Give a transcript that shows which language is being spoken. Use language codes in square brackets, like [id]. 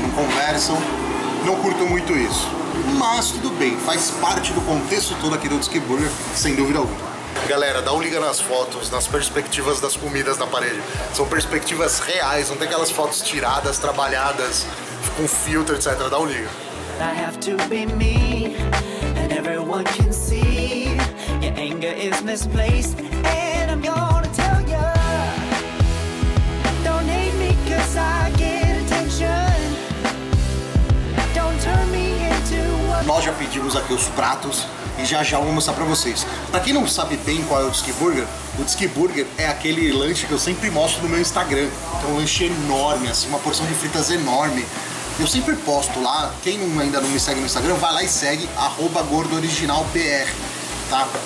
[pt] Não conversam, não curto muito isso. Mas tudo bem, faz parte do contexto todo aqui do Disque Burger, sem dúvida alguma. Galera, dá um liga nas fotos, nas perspectivas das comidas na parede. São perspectivas reais, não tem aquelas fotos tiradas, trabalhadas, com filtro, etc. Dá um liga. [en] I have to be me, and everyone can see Anger is misplaced, and I'm gonna tell ya. Don't hate me 'cause I get attention. Don't turn me into a... [pt] Nós já pedimos aqui os pratos e já vou mostrar pra vocês. Pra quem não sabe bem qual é o Disque Burger, o Disque Burger é aquele lanche que eu sempre mostro no meu Instagram. É um lanche enorme, assim, uma porção de fritas enorme. Eu sempre posto lá, quem ainda não me segue no Instagram, vai lá e segue, @gordooriginalbr, tá?